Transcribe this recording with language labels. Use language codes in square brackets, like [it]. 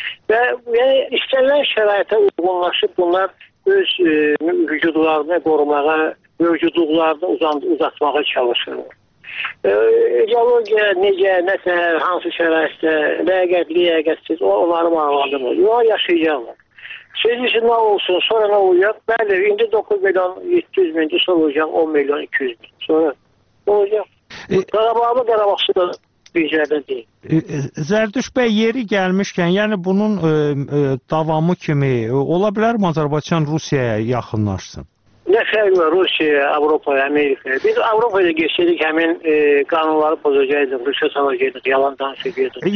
[az] Və yəni, istənilən şəraitə uyğunlaşıb bunlar öz vücudlarını qorumağa, mövcudluqlarını uzatmağa çalışırlar. İdeologiya necə, nə təhər, hansı şəraitdə, ləyəqətli, ləyəqətsiz, onları maraqlandırmır. Yox, yaşayacaqlar. [tr] Sizin için ne olsun, sonra ne olacak? Belli, şimdi 9 milyon 700 bin, soracağım 10 milyon 200 bin. Sonra ne olacak? Karabağlı Karabağlı da bir yerde değil. [az] Zərdüşt bəy, yeri gəlmişkən, yəni bunun davamı kimi ola bilərmi Azərbaycan Rusiyaya yaxınlaşsın? Nə fərq var Rusiyaya, Avropaya, Amerikaya? Biz Avropaya geçirdik, həmin qanunları pozacaqdır, Rusiya savacaqdır, yalan danışıqdır.